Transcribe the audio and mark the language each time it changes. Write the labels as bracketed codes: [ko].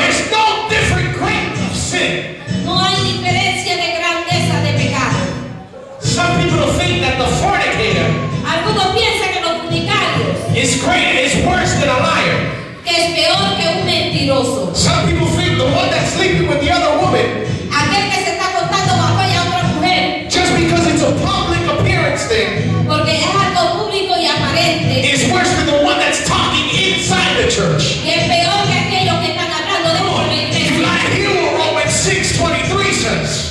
[en] There's no different grade of sin. [es] No hay diferencia de grandeza de pecado. [en] Some people think that the fornicator, [es] algunos piensan que los fornicarios, [en] is greater, is worse than a liar. [es] Es peor que un mentiroso. [en] Some people think the one that's sleeping with the other woman. [es] Aquel que se está acostando bajo ella otra mujer. [en] Just because it's a public appearance thing. [es] Porque es algo público y aparente. [en] Is worse than the one that's talking inside the church. [es] Y es peor que aquellos que están hablando dentro de la iglesia. [en] You gotta hear what Romans 6:23 says.